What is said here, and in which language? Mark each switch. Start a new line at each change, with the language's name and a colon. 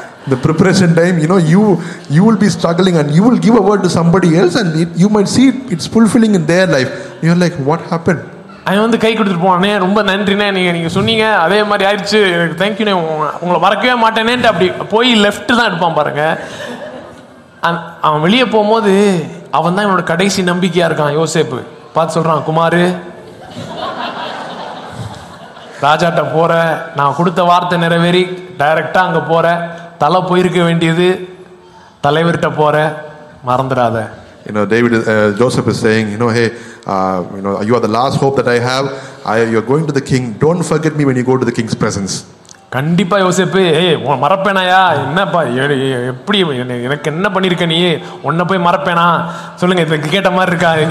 English: the preparation time, you know, you will be struggling and you will give a word to somebody else and you might see it's fulfilling in their life. You are like, what happened?
Tamil: I வந்து கை கொடுத்துட்டு போறானே, ரொம்ப நன்றிண்ணே, நீங்க சொன்னீங்க அதே மாதிரி ஆயிடுச்சு, எனக்கு தேங்க்யூ, உங்களை மறக்கவே மாட்டேனே அப்படி போய் லெஃப்ட் தான் எடுப்பான் பாருங்க. அவன் வெளியே போகும்போது அவன் தான் என்னோட கடைசி நம்பிக்கையா இருக்கான். யோசேப்பு பார்த்து சொல்றான், குமாரு ராஜாட்ட போற, நான் கொடுத்த வார்த்தை நிறைவேறி டைரக்டா அங்க போற, தலை போயிருக்க வேண்டியது தலைவர்கிட்ட போற, மறந்துடாத.
English: You know, David, Joseph is saying, you know, hey, you know, you are the last hope that I have. You are going to the king. Don't forget me when you go to the king's presence.
Tamil: கண்டிப்பா யோசேப்பு, ஏய் உன்னை மறப்பேனாயா என்னப்பா, எப்படி எனக்கு என்ன பண்ணிருக்க நீ, உன்னை போய் மறப்பேனா சொல்லுங்க, இதுக்கு கேட்ட மாதிரி இருக்கா.